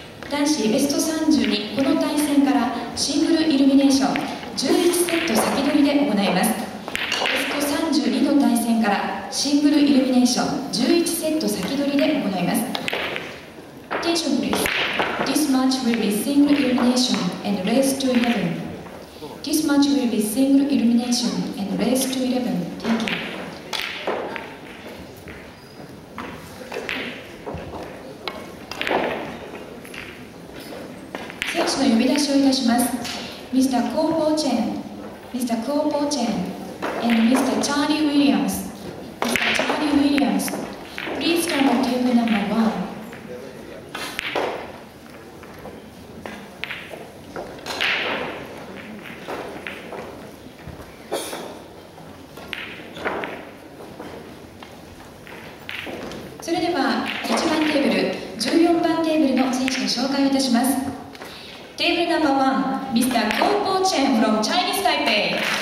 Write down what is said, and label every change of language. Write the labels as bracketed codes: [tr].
[ja] 男子ベスト32この対戦からシングルイルミネーション11セット先取りで行います。ベスト32の対戦からシングルイルミネーション11セット先取りで行います。 [en] Attention please. This match will be single elimination and race to 11. This match will be single elimination and race to 11. Thank you. [ja] 呼び出しをいたします。 [en] Mr. Kuo Po Chen Mr. Kuo Po Chen and Mr. Charlie Williams Mr. Charlie Williams Please come on table number 1. [ja] それでは1番テーブル14番テーブルの選手を紹介いたします。 [en] Table number 1, Mr. Kuo Po Chen from Chinese Taipei.